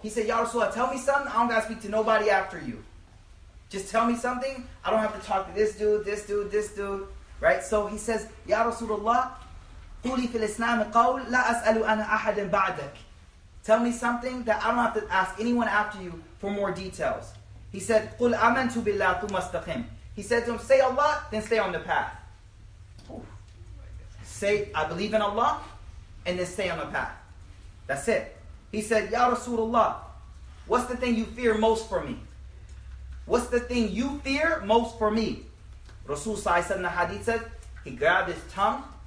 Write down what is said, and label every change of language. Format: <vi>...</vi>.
<en>He said, Ya Rasulullah, tell me something. I don't got to speak to nobody after you. Just tell me something. I don't have to talk to this dude, right? So he says, Ya Rasulullah,</en> <ar>قولي في الإسلام قول لا أسأل أنا أحد بعدك.</ar> <en>Tell me something that I don't have to ask anyone after you for more details.</en> <ar>He said, قُلْ أَمَنْتُ بِاللَّهِ ثُمَّ اسْتَقِيمْ.</ar> <en>He said to him, say Allah, then stay on the path. Say, I believe in Allah, and then stay on the path. That's it. He said,</en> <ar>يَا رَسُولَ اللَّهِ,</ar> <en>what's the thing you fear most for me? What's the thing you fear most for me? Rasul said in the hadith, said, he grabbed his tongue.</en>